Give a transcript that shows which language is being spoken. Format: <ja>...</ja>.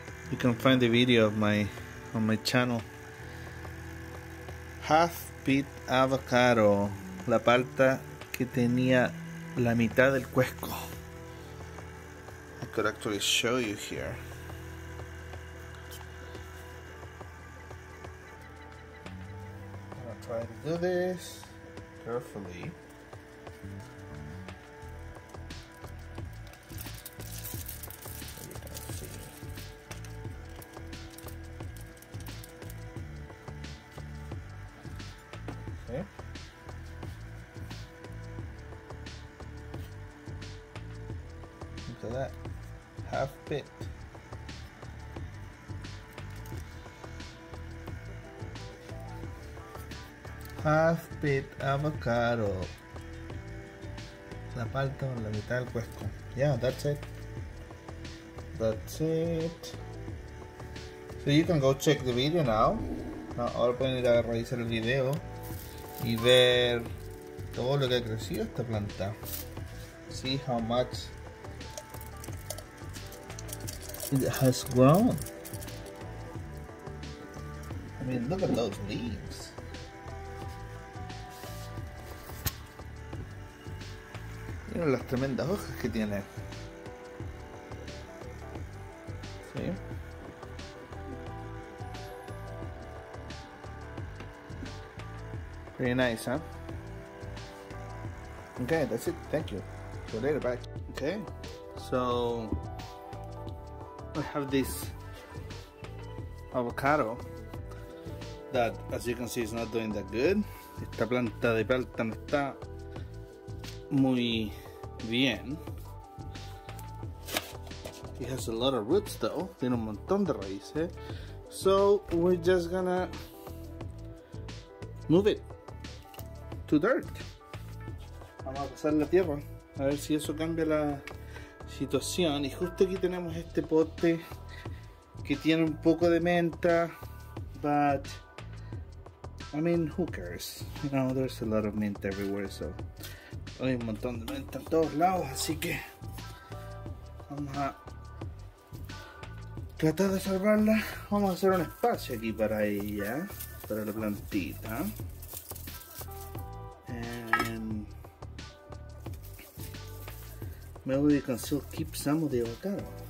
<en>You can find the video of on my channel. Half pit avocado,</en> <es>la palta que tenía la mitad del cuesco.</es> <en>I could actually show you here. Try to do this carefully. You can see. Okay. Look at that. Half bit. Half pit avocado.</en> <es>La palta, la mitad del cuesco.</es> <en>Yeah, that's it. That's it. So you can go check the video now.</en> <es>Ahora pueden ir a revisar el video y ver todo lo que ha crecido esta planta.</es> <en>See how much it has grown. I mean, look at those leaves.</en> <es>Miren las tremendas hojas que tiene. ¿Sí?</es> <en>Pretty nice, huh? Okay, that's it. Thank you. See you later, bye. Okay, so I have this avocado that, as you can see, is not doing that good.</en> <es>Esta planta de palta no está muy bien.</es> <en>It has a lot of roots though.</en> <es>Tiene un montón de raíces.</es> <en>So we're just gonna move it to dirt.</en> <es>Vamos a pasar la tierra. A ver si eso cambia la situación. Y justo aquí tenemos este pote que tiene un poco de menta.</es> <en>But I mean, who cares? You know, there's a lot of mint everywhere, so</en> <es>hay un montón de menta en todos lados, así que vamos a tratar de salvarla. Vamos a hacer un espacio aquí para ella, para la plantita.</es> <en>And maybe we can still keep some of the avocado.</en>